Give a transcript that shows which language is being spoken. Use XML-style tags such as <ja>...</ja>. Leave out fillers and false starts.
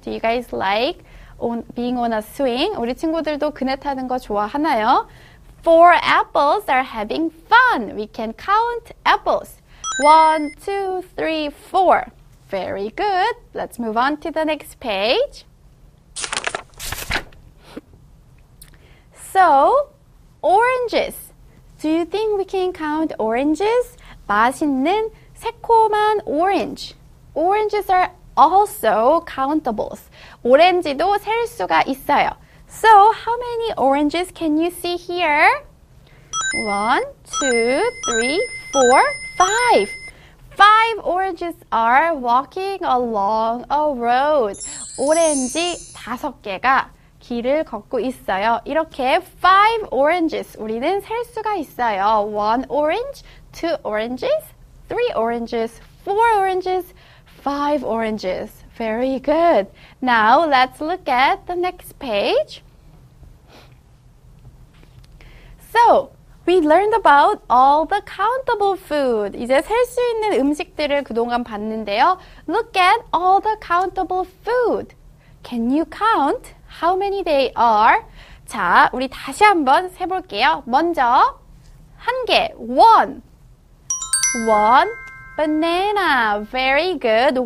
<en>Do you guys like being on a swing?</en> <ko>우리 친구들도 그네 타는 거 좋아하나요?</ko> <en>Four apples are having fun. We can count apples. One, two, three, four. Very good. Let's move on to the next page. So, oranges. Do you think we can count oranges?</en> <ko>맛있는 새콤한</ko> <en>orange. Oranges are also countables.</en> <ko>오렌지도 셀 수가 있어요.</ko> <en>So, how many oranges can you see here? One, two, three, four, five. Five oranges are walking along a road.</en> <ko>오렌지 다섯 개가 길을 걷고 있어요. 이렇게</ko> <en>five oranges</en> <ko>우리는 셀 수가 있어요.</ko> <en>One orange, two oranges, three oranges, four oranges, five oranges. Very good. Now let's look at the next page. So, we learned about all the countable food.</en> <ko>이제 셀 수 있는 음식들을 그동안 봤는데요.</ko> <en>Look at all the countable food. Can you count how many they are?</en> <ko>자, 우리 다시 한번 세볼게요. 먼저 한 개, one.</ko> <en>One banana. Very good.</en>